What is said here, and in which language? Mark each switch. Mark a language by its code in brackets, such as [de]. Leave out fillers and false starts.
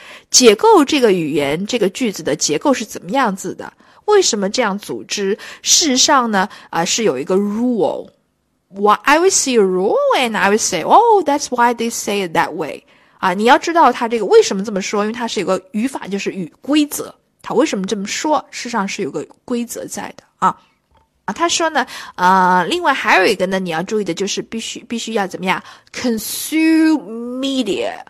[zh] 解构这个语言，这个句子的结构是怎么样子的？为什么这样组织？事实上呢，是有一个 rule. [en] I will see a rule and I will say, oh, that's why they say it that way. [zh] 你要知道他这个为什么这么说，因为他是有个语法，就是语规则。他为什么这么说，事实上是有个规则在的他说呢，另外还有一个呢，你要注意的就是必须要怎么样 ？ [en] consume media。